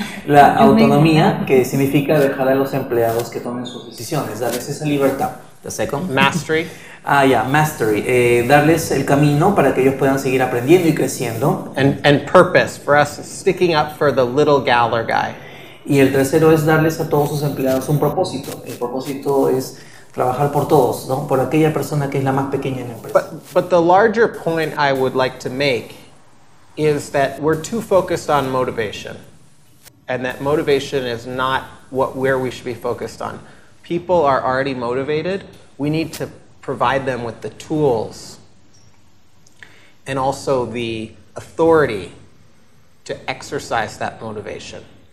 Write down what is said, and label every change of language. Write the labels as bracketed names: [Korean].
[Spanish] La autonomía, que significa dejar a los empleados que tomen sus decisiones, darles esa libertad. [English] The second. Mastery. Ah, yeah, mastery. [Spanish] Darles el camino para que ellos puedan seguir aprendiendo y creciendo. [English] And purpose for us, sticking up for the little gal or guy. [Spanish] Y el tercero es darles a todos sus empleados un propósito. El propósito es trabajar por todos, ¿no? Por aquella persona que es la más pequeña en la empresa. [English] But the larger point I would like to make is that we're too focused on motivation. And that motivation is not where we should be focused on. People are already motivated. We need to provide them with the tools and also the authority to exercise that motivation.